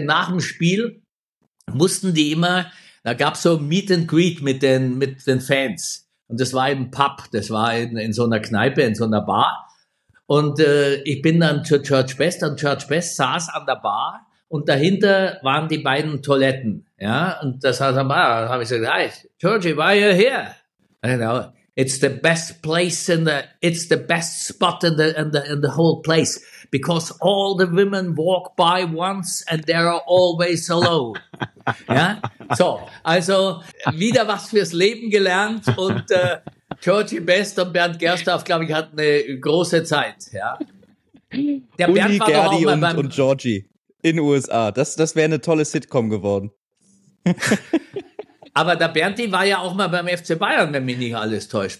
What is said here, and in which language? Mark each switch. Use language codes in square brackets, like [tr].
[de] Nach dem Spiel mussten die immer, da gab es so Meet and Greet mit den Fans. Und das war im Pub, das war in so einer Kneipe, in so einer Bar. Und ich bin dann zu George Best und George Best saß an der Bar und dahinter waren die beiden Toiletten. Ja, und das heißt, da habe ich gesagt, [en] hey, George, why are you here? You know, it's the best place in the, it's the best spot in the, in the, in the whole place. Because all the women walk by once and they are always alone. Ja? [de] So, also wieder was fürs Leben gelernt. Und Georgie Best und Bernd Gerstorf, glaube ich, hatten eine große Zeit. Ja? Der Uli, Bernd war Gerdi auch mal und Georgie in USA. Das wäre eine tolle Sitcom geworden. Aber der Berndi war ja auch mal beim FC Bayern, wenn mich nicht alles täuscht.